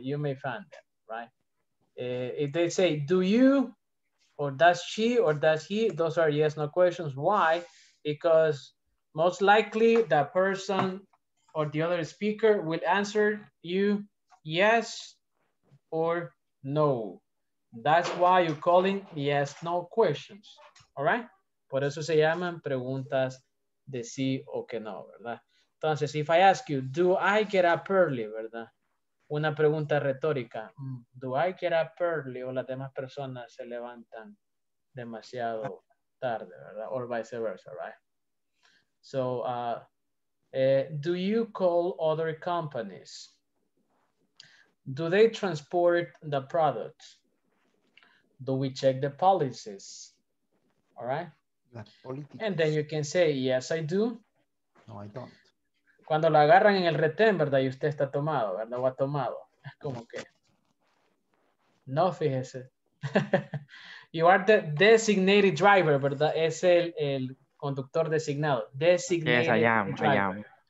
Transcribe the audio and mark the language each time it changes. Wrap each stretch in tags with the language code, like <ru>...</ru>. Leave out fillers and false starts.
<en>You may find them, right? If they say, do you, or does she, or does he, those are yes, no questions. Why? Because most likely that person or the other speaker will answer you yes or no. That's why you're calling yes, no questions, all right?</en> <es>Por eso se llaman preguntas de sí o que no, ¿verdad?</es> <en>Entonces, if I ask you, do I get up early, ¿verdad?</en> <es>Una pregunta retórica.</es> <en>Do I get up early?</en> <es>O las demás personas se levantan demasiado tarde, ¿verdad?</es> <en>Or vice versa, right? So, do you call other companies? Do they transport the products? Do we check the policies? All right. And then you can say, yes, I do. No, I don't.</en> <es>Cuando lo agarran en el retén, ¿verdad? Y usted está tomado, ¿verdad? O ha tomado. Es como que. No, fíjese.</es> <en>You are the designated driver, ¿verdad?</en> <es>Es el conductor designado.</es> <en>Designated. Yes, I am.</en>